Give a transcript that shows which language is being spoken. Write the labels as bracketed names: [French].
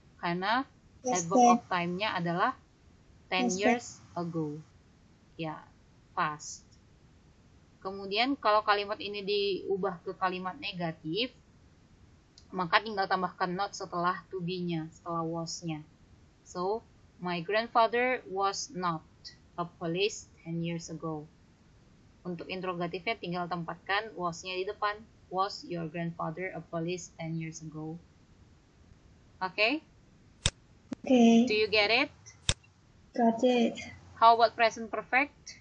[Indonesian] Karena adverb of time-nya adalah 10 years ago. Ya, past. Kemudian kalau kalimat ini diubah ke kalimat negatif, maka tinggal tambahkan not setelah to be-nya, setelah was-nya. [English] So, my grandfather was not a police 10 years ago. [Indonesian] Untuk interrogatifnya tinggal tempatkan was-nya di depan. [English] Was your grandfather a police 10 years ago? Oke? Okay? [Indonesian] Oke. [English] Okay. Do you get it? Got it. How about present perfect?